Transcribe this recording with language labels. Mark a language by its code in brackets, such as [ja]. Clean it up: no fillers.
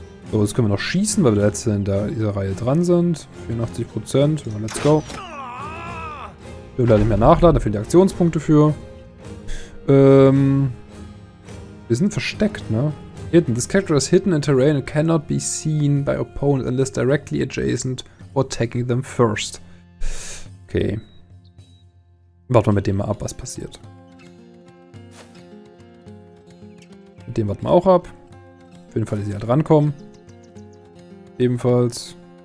[de] So, jetzt können wir noch schießen, weil wir letzte in dieser Reihe dran sind. 84%, [en] let's go. [de] Wir werden nicht mehr nachladen, da fehlen die Aktionspunkte für. Wir sind versteckt, ne? Hidden. [en] This character is hidden in terrain and cannot be seen by opponents unless directly adjacent or attacking them first. Okay. [de] Warten wir mit dem mal ab, was passiert. Mit dem warten wir auch ab. Auf jeden Fall, dass sie halt rankommen. Ebenfalls.